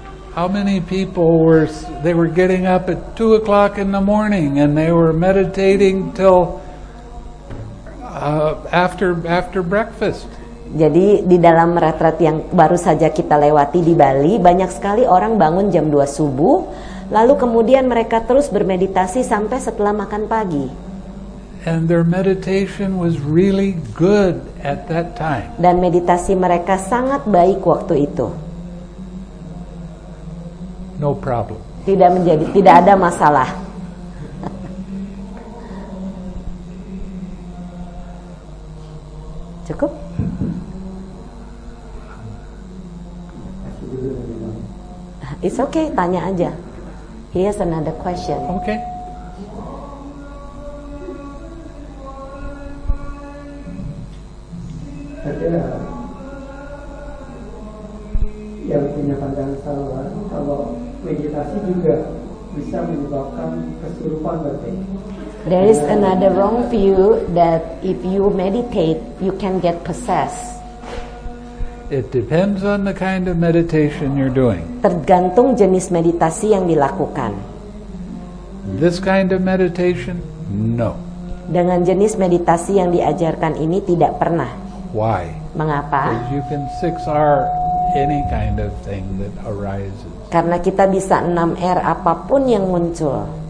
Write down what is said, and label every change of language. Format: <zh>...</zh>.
<en>How many people were getting up at 2 o'clock in the morning and they were meditating till after breakfast?</en> <id>Jadi di dalam retret yang baru saja kita lewati di Bali, banyak sekali orang bangun jam 2 subuh, lalu kemudian mereka terus bermeditasi sampai setelah makan pagi.</id> <en>And their meditation was really good at that time.</en> <id>Dan meditasi mereka sangat baik waktu itu.</id> <en>No problem.</en> <id>Tidak ada masalah. Cukup?</id> <en>It's okay,</en> <id>tanya aja.</id> <en>Here's another question. Okay.</en> <id>Yang punya pandangan salah, kalau meditasi juga bisa menyebabkan kesurupan berarti.</id> <en>There is another wrong view that if you meditate, you can get possessed. It depends on the kind of meditation you're doing.</en> <id>Tergantung jenis meditasi yang dilakukan.</id> <en>This kind of meditation, no.</en> <id>Dengan jenis meditasi yang diajarkan ini tidak pernah.</id> <en>Why?</en> <id>Mengapa?</id> <en>Because you can 6R. Any kind of thing that arises.</en> <id>Karena kita bisa 6R apapun yang muncul.</id>